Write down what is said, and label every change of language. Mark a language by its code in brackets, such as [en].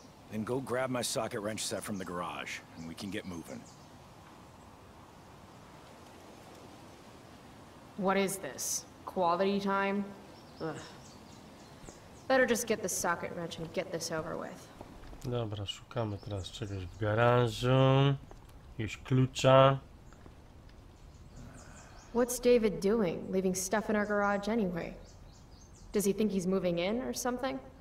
[en] Then go grab my socket wrench set from the garage, and we can get moving. What is this? Quality time? Ugh. Better just get the socket wrench and get this over with. [pl] Dobra, szukamy teraz czegoś w garażu. Jakiegoś klucza. [en] What's David doing, leaving stuff in our garage anyway? Does he think he's moving in or something?